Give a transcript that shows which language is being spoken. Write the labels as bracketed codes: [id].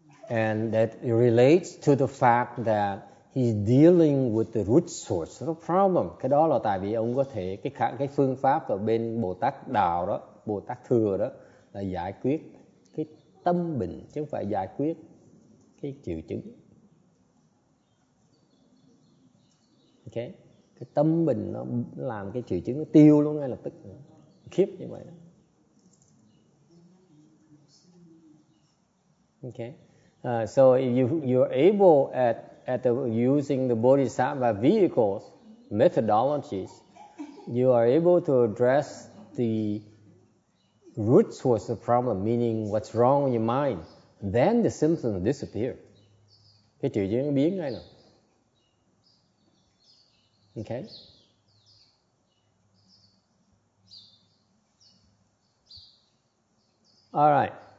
[en] And that it relates to the fact that he's dealing with the root source of the problem. [vi] Cái đó là tại vì ông có thể cái phương pháp ở bên Bồ Tát Đạo đó, Bồ Tát Thừa đó, là giải quyết cái tâm bệnh chứ không phải giải quyết cái triệu chứng. Okay. Cái tâm bệnh nó làm cái triệu chứng nó tiêu luôn ngay lập tức, khiếp như vậy đó. [en] Okay. So if you're able at the, using the bodhisattva vehicles, methodologies, you are able to address the root source of the problem, meaning what's wrong in your mind, then the symptoms disappear. [vi] Cái triệu chứng biến ngay rồi. [en] Okay? All right.